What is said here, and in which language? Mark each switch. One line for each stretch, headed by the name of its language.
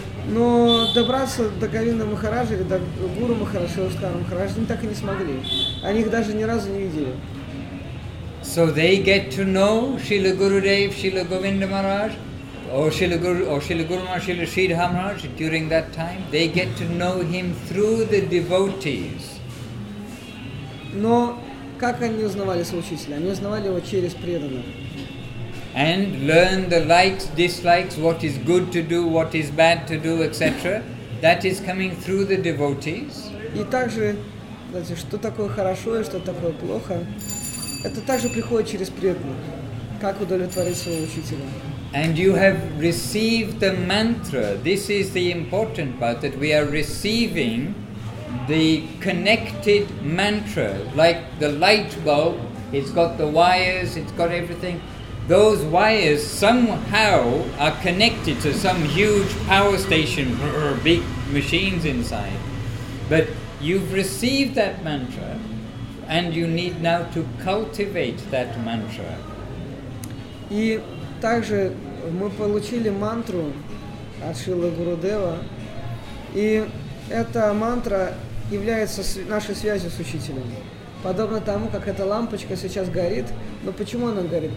Russian: Но добраться до Говинда Махараджа или до Гуру Махараджа, Шилашкара Махараджа, они так и не смогли. Они их даже ни разу не видели.
English: So they get to know Srila Gurudev, Srila Govinda Maharaj, or Srila Guru Maharaj, Srila Sridhar Maharaj during that time. They get to know him through the devotees.
Russian: Но как они узнавали своего учителя? Они узнавали его через преданных.
English: And learn the likes, dislikes, what is good to do, what is bad to do, etc. That is coming through the devotees.
Russian: И также, знаете, что такое хорошо и что такое плохо, это также приходит через преданных, как удовлетворить своего учителя.
English: And you have received the mantra. This is the important part, that we are receiving the connected mantra, like the light bulb. It's got the wires, it's got everything. Those wires somehow are connected to some huge power station or big machines inside. But you've received that mantra, and you need now to cultivate that mantra.
Russian: И также мы получили мантру от Шрилы Гурудева, и эта мантра является нашей связью с учителем. Подобно тому, как эта лампочка сейчас горит. Но почему она горит?